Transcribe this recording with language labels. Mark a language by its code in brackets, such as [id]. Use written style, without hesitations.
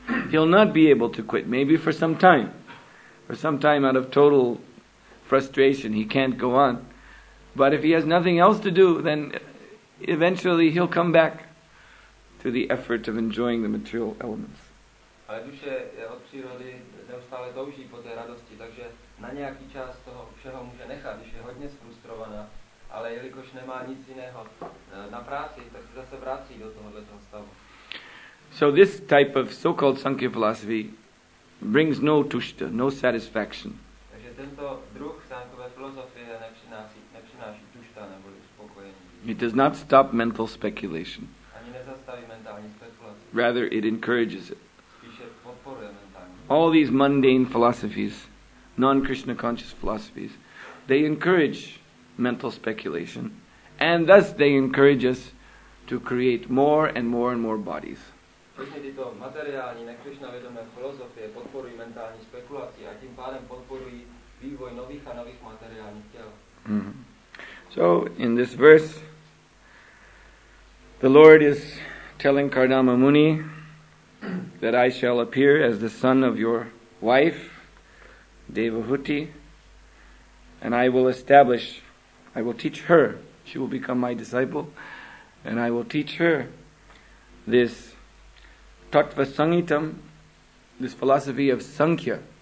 [en] He'll not be able to quit, maybe for some time. For some time out of total frustration, he can't go on. But if he has nothing else to do, then eventually he'll come back to the effort of enjoying the material elements. [cs] Ale duše jeho přírody neustále touží po té radosti, takže na nějaký čas toho všeho může nechat, když je hodně frustrovaná, ale jelikož nemá nic jiného na práci, tak se zase vrací do tohoto stavu. [en] So this type of so-called Sankhya philosophy brings no tuṣṭa, no satisfaction. [cs] Takže tento druh sankhové filozofie nepřináší tuṣṭa nebo uspokojení. [en] It does not stop mental speculation. [cs] Ani nezastaví mentální spekulaci. [en] Rather, it encourages it. [cs] Spíše podporuje mentální. [en] All these mundane philosophies, non-Krishna conscious philosophies, they encourage mental speculation, and thus they encourage us to create more and more and more bodies. [cs] Všechny tyto materiální nekrišna vědomé filozofie podporují mentální spekulaci a tím pádem podporují vývoj nových a nových materiálních těl. Mm-hmm. [en] So, in this verse, the Lord is telling Kardama Muni that I shall appear as the son of your wife, Devahuti, and I will establish, I will teach her, she will become my disciple, and I will teach her this Tattva Sangitam, this philosophy of Sankhya,